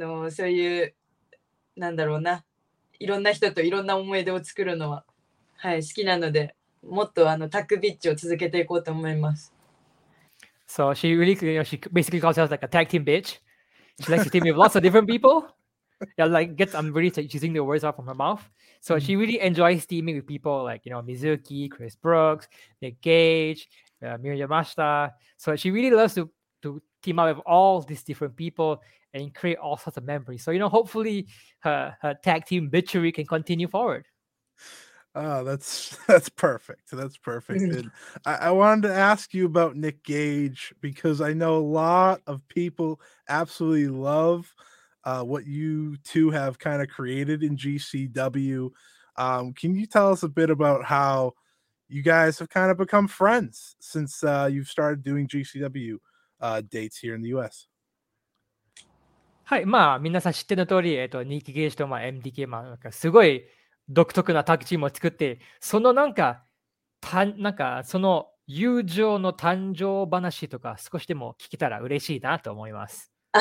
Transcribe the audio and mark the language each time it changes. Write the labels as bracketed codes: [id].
[ja] そういうなんだろうな、いろんな人といろんな思い出を作るのは、はい、好きなので、もっとタッグビッチを続けていこうと思います。 [en] So she really, you know, she basically calls herself like a tag team bitch. She likes to team with lots of different people. Yeah, like gets, I'm really using the words out from her mouth. So she really enjoys teaming with people like, you know, Mizuki, Chris Brooks, Nick Gage, Miyu Yamashita. So she really loves to team up with all these different people and create all sorts of memories. So, you know, hopefully her tag team bitchery can continue forward. Oh, that's perfect. That's perfect. And I wanted to ask you about Nick Gage, because I know a lot of people absolutely love what you two have kind of created in GCW. Can you tell us a bit about how you guys have kind of become friends since you've started doing GCW dates here in the U.S.? [ja] はい、まあ、皆さん知っての通り、ニック・ゲージと、まあ、MDK、まあ、なんかすごい独特なタッグチームを作って、そのなんかたなんかその友情の誕生話とか少しでも聞けたら嬉しいなと思います。